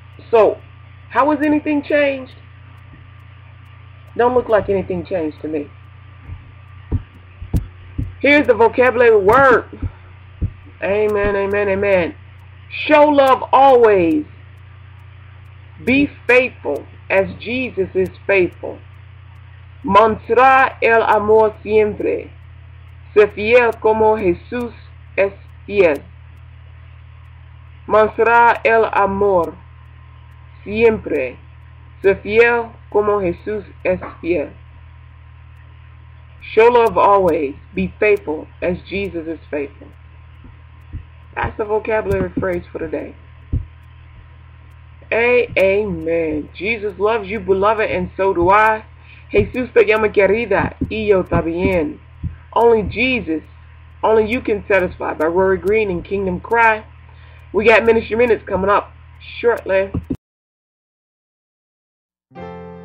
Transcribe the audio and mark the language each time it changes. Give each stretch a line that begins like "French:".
English: So, how has anything changed? Don't look like anything changed to me. Here's the vocabulary word. Amen, amen, amen. Show love always. Be faithful as Jesus is faithful.
Spanish: Montra el amor siempre. Sé fiel como Jesús es fiel. Montra el amor siempre. Sé fiel como Jesús es fiel.
English: Show love always. Be faithful as Jesus is faithful. That's the vocabulary phrase for today. Amen. Jesus loves you, beloved, and so do I.
Spanish: Jesús te llama querida, y yo también.
English: Only Jesus, only you can satisfy. By Rory Green and Kingdom Cry. We got Ministry Minutes coming up shortly. Thank you.